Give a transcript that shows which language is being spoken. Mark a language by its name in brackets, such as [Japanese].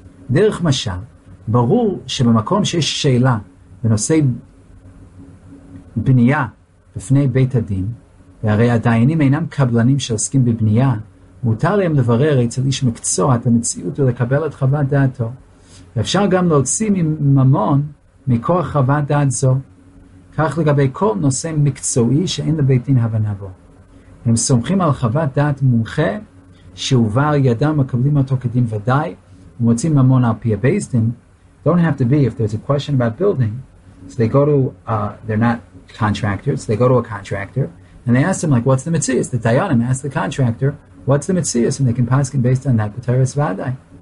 [Hebrew] Derech mashal, barur shebemakom sheish sheila benosei bniya bifnei beit adin, v'arei adayinim einam kablanim sheoskim bibniya, מותר להם לברר אצל איש מקצוע את המציאות ולקבל את חוות דעתו. ואפשר גם להוציא ממון מכוח חוות דעת זו. כך לגבי כל נושא מקצועי שאין לבית דין הבנה בו. הם סומכים על חוות דעת מומחה שהובא על ידם מקבלים אותו כדין ודאי ומוצאים ממון על פי הבייס דין. [English] Don't have to be if there's a question about building. So they go to, they're not contractors, so they go to a contractor and they ask them like, what's the mitzvah? The dayanim ask the contractor, what's the mitzvah? And they can paskin based on that. Pateres vaday.